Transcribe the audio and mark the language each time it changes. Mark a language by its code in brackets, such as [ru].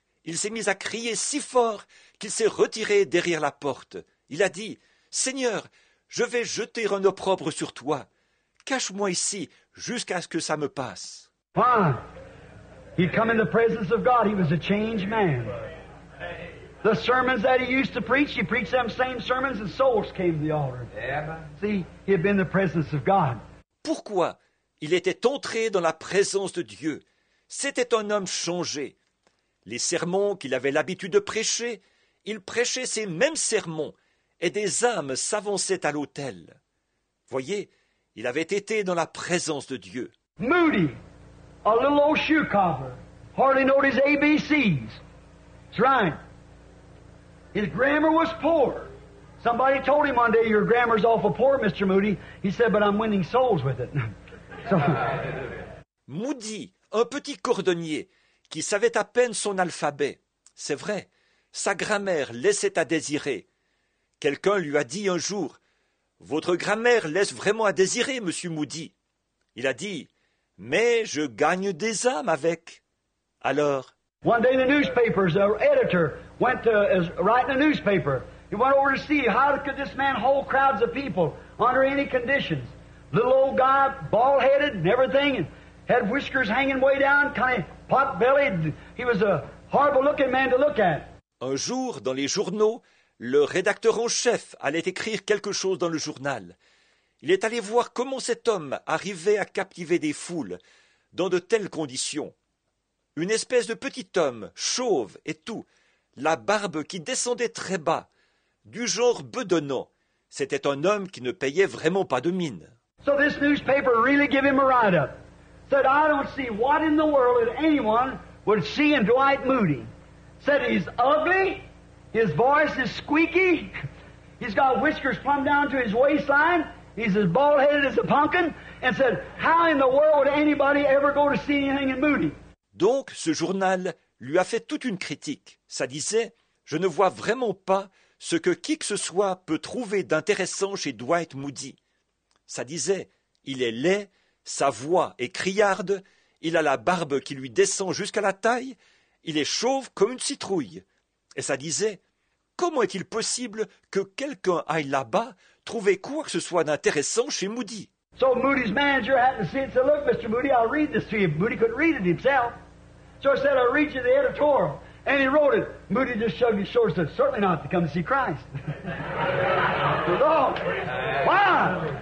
[fr] Il s'est mis à crier si fort qu'il s'est retiré derrière la porte. Il a dit, « Seigneur, je vais jeter un opprobre sur toi. Cache-moi ici jusqu'à ce que ça me passe. » [en] He'd come in the presence of God. He was a changed man. The sermons that he preached them same sermons and souls came to the altar. See, he had been in the presence of God. [fr] Pourquoi il était entré dans la présence de Dieu? C'était un homme changé. Les sermons qu'il avait l'habitude de prêcher, il prêchait ces mêmes sermons et des âmes s'avançaient à l'autel. Voyez, il avait été dans la présence de Dieu. [en] Moody, a little old shoe cobbler, hardly knew his ABCs. That's right. His grammar was poor. Somebody told him one day, your grammar's awful poor, Mr. Moody. He said, but I'm winning souls with it. So... [fr] Moody, un petit cordonnier qui savait à peine son alphabet. C'est vrai, sa grammaire laissait à désirer. Quelqu'un lui a dit un jour, « Votre grammaire laisse vraiment à désirer, Monsieur Moody. » Il a dit, « Mais je gagne des âmes avec. » Alors, [en] « One day the newspapers, the editor, went to write in a newspaper. He went over to see how could this man hold crowds of people under any conditions. Little old guy, bald-headed and everything. » Had whiskers hanging way down, kind of pot-bellied. He was a horrible-looking man to look at. [fr] Un jour, dans les journaux, le rédacteur en chef allait écrire quelque chose dans le journal. Il est allé voir comment cet homme arrivait à captiver des foules dans de telles conditions. Une espèce de petit homme, chauve et tout, la barbe qui descendait très bas, du genre bedonnant. C'était un homme qui ne payait vraiment pas de mine. [en] So this newspaper really gave him a ride up. Said, I don't see what in the world that anyone would see in Dwight Moody. Said, he's ugly, his voice is squeaky, he's got whiskers plumb down to his waistline, he's as bald-headed as a pumpkin, and said, how in the world would anybody ever go to see anything in Moody? [fr] Donc, ce journal lui a fait toute une critique. Ça disait, je ne vois vraiment pas ce que qui que ce soit peut trouver d'intéressant chez Dwight Moody. Ça disait, il est laid, sa voix est criarde, il a la barbe qui lui descend jusqu'à la taille, il est chauve comme une citrouille. Et ça disait, comment est-il possible que quelqu'un aille là-bas trouver quoi que ce soit d'intéressant chez Moody? [en] So Moody's manager happened to see it and said, look, Mr. Moody, I'll read this to you. Moody couldn't read it himself. So he said, I'll read you the editorial. And he wrote it. Moody just shrugged his shoulders and said, certainly not to come to see Christ. No. Why?